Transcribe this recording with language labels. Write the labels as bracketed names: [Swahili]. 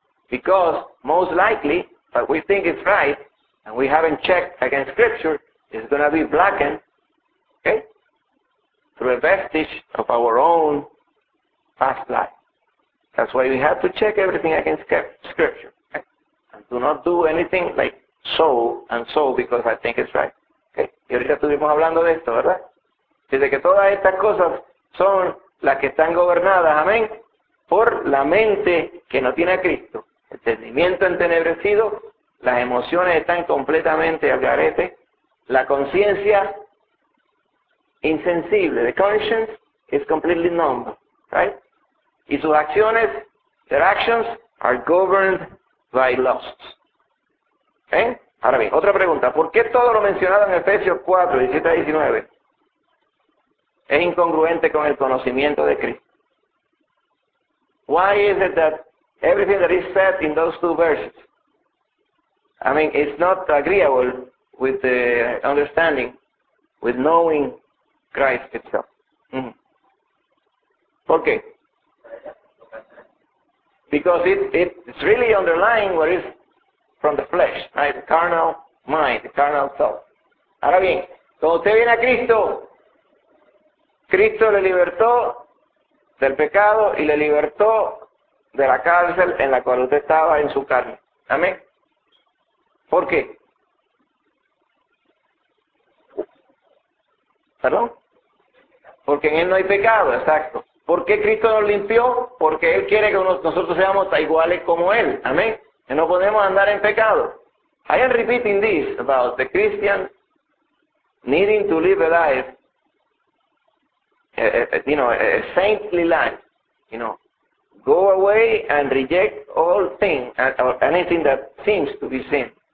[English] Because most likely, what we think is right, and we haven't checked against Scripture, is going to be blackened, okay, through a vestige of our own past life. That's why we have to check everything against Scripture. Okay? And do not do anything like so and so because I think it's right. [Spanish] Okay? Y ahorita estuvimos hablando de esto, ¿verdad? Dice que todas estas cosas son las que están gobernadas, amén, por la mente que no tiene a Cristo. Entendimiento entenebrecido, las emociones están completamente al garete, la conciencia insensible, [English] the conscience is completely numb, right? [Spanish] Y sus acciones, [English] their actions are governed by lust. ¿Okay? [Spanish] Ahora bien, otra pregunta, ¿por qué todo lo mencionado en Efesios 4, 17 a 19 es incongruente con el conocimiento de Cristo? [English] Why is it that everything that is said in those two verses I mean, it's not agreeable with the understanding, with knowing Christ itself. Mm-hmm. [Spanish] ¿Por qué? [English] Because it's really underlying what is from the flesh, right? The carnal mind, the carnal self. [Spanish] Ahora bien, cuando usted viene a Cristo, Cristo le libertó del pecado y le libertó de la cárcel en la cual usted estaba en su carne. Amén. ¿Por qué? ¿Perdón? Porque en Él no hay pecado, exacto. ¿Por qué Cristo nos limpió? Porque Él quiere que nosotros seamos iguales como Él. Amén. Que no podemos andar en pecado. [English] I am repeating this about the Christian needing to live a life, a saintly life, you know. Go away and reject all things, or anything that seems to be sin.